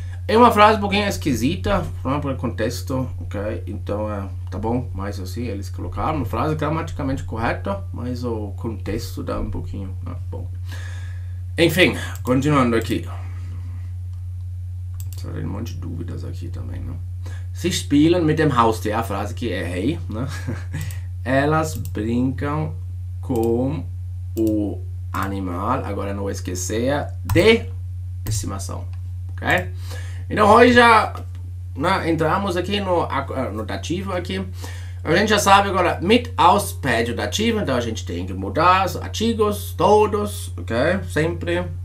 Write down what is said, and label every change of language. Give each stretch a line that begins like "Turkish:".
Portuguese: É uma frase um pouquinho esquisita, pronto, para o contexto, ok? Então, tá bom, mas assim, eles colocaram uma frase gramaticamente correta, mas o contexto dá um pouquinho, né? Bom. Enfim, continuando aqui. Só tem um monte de dúvidas aqui também, né?
German: Se spielen mit dem Haustier,
Portuguese: a frase que errei, né? Elas brincam com o animal, agora não esquecer, de estimação, ok? Então, hoje já, né, entramos aqui no dativo aqui. A gente já sabe agora, mit aus pede o dativo, então a gente tem que mudar os artigos, todos, ok? Sempre.